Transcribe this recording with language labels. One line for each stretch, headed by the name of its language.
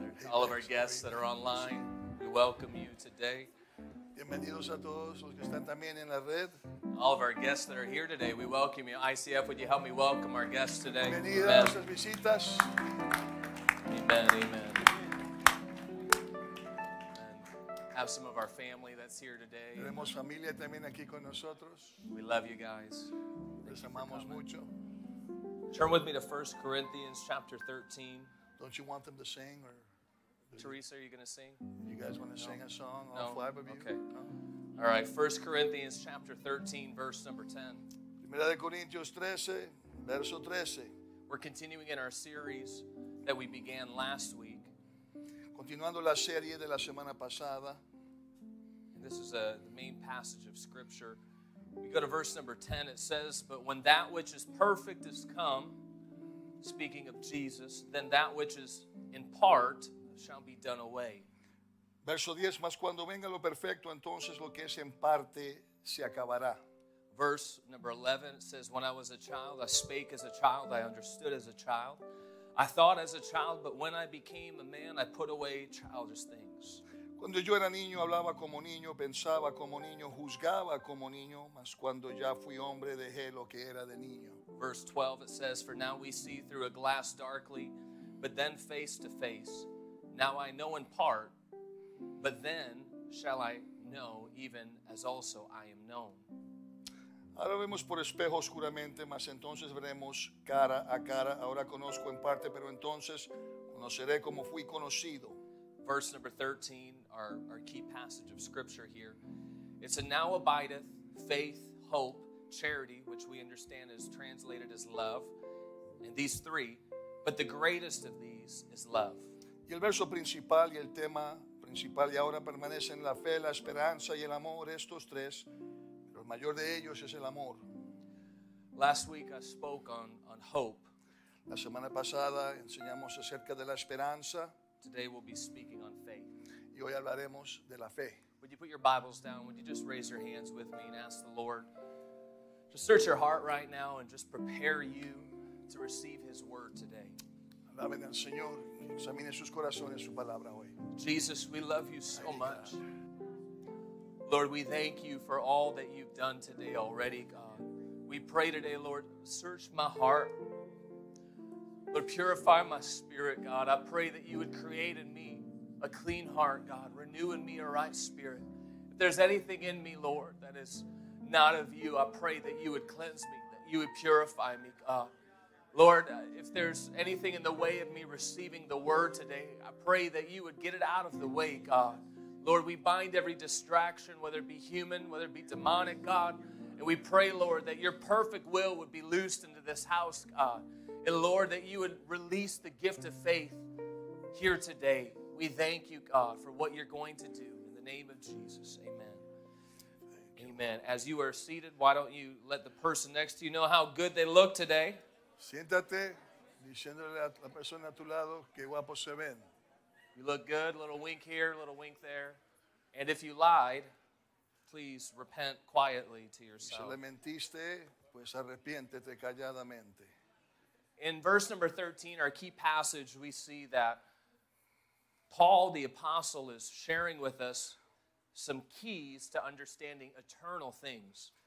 English: All of our guests that are online, we welcome you today.
Spanish: Bienvenidos a todos los que están también en la red.
English: All of our guests that are here today, we welcome you. ICF, would you help me welcome our guests today?
Spanish: Bienvenidos a las visitas.
English: Amen, amen. And have some of our family that's here today.
Spanish: Tenemos familia también aquí con nosotros.
English: We love you guys.
Spanish: Les amamos mucho.
English: Turn with me to 1 Corinthians chapter 13. Don't you want them to sing or? Teresa, are you going to sing? You guys want to sing a song? All five of you? Okay. No? All right. 1 Corinthians chapter 13, verse number 10.
Spanish: Primera de Corintios 13, verso 13.
English: We're continuing in our series that we began last week.
Spanish: Continuando la serie de la semana pasada.
English: And this is the main passage of Scripture. We go to verse number 10. It says, "But when that which is perfect is come," speaking of Jesus, "then that which is in part shall be done away."
Spanish: Verso 10, mas cuando venga lo perfecto, entonces lo que es en parte se acabará.
English: Verse number 11 says, "When I was a child, I spake as a child, I understood as a child, I thought as a child, but when I became a man, I put away childish things."
Spanish: Cuando yo era niño, hablaba como niño, pensaba como niño, juzgaba como niño, mas cuando ya fui hombre, dejé lo que era de niño.
English: Verse 12, it says, "For now we see through a glass darkly, but then face to face. Now I know in part, but then shall I know even as also I am known."
Spanish: Ahora vemos por espejo oscuramente, mas entonces veremos cara a cara. Ahora conozco en parte, pero entonces conoceré como fui conocido.
English: Verse number 13, our key passage of Scripture here. It's a "now abideth faith, hope, charity," which we understand is translated as love, and these three, "but the greatest of these is love."
Spanish: Y el verso principal y el tema principal y ahora permanecen la fe, la esperanza y el amor, estos tres, pero el mayor de ellos es el amor.
English: Last week I spoke on hope.
Spanish: La semana pasada enseñamos acerca de la esperanza.
English: Today we'll be speaking on faith.
Spanish: Y hoy hablaremos de la fe.
English: Would you put your Bibles down? Would you just raise your hands with me and ask the Lord to search your heart right now and just prepare you to receive His word today.
Spanish: Alaben al Señor, examine sus corazones, su palabra hoy.
English: Jesus, we love you so much. Lord, we thank you for all that you've done today already, God. We pray today, Lord, search my heart. Lord, purify my spirit, God. I pray that you would create in me a clean heart, God. Renew in me a right spirit. If there's anything in me, Lord, that is not of you, I pray that you would cleanse me, that you would purify me, God. Lord, if there's anything in the way of me receiving the word today, I pray that you would get it out of the way, God. Lord, we bind every distraction, whether it be human, whether it be demonic, God. And we pray, Lord, that your perfect will would be loosed into this house, God. And Lord, that you would release the gift of faith here today. We thank you, God, for what you're going to do. In the name of Jesus, amen. Amen. As you are seated, why don't you let the person next to you know how good they look today?
Spanish: Siéntate, diciéndole a la persona a tu lado que guapos se ven.
English: You look good, a little wink here, a little wink there. And if you lied, please repent quietly to yourself.
Spanish: Si le mentiste, pues arrepiéntete calladamente.
English: In verse number 13, our key passage, we see that Paul the Apostle is sharing with us some keys to understanding eternal things.